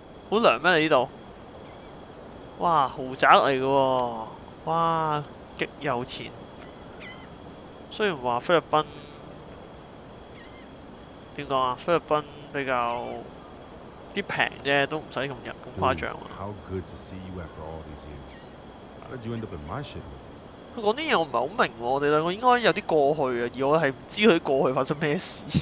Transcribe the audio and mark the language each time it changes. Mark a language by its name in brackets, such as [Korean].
[Cantonese] 好凉咩？你呢度？哇，豪宅嚟嘅喎！哇，极有钱！虽然话菲律宾点讲啊，菲律宾比较啲平啫，都唔使咁入咁夸张啊。 [English] How good to see you after all these years. How did you end up in my shit? [Cantonese] 佢讲啲嘢我唔系好明白，我哋两个应该有啲过去啊，而我系唔知佢过去发生咩事。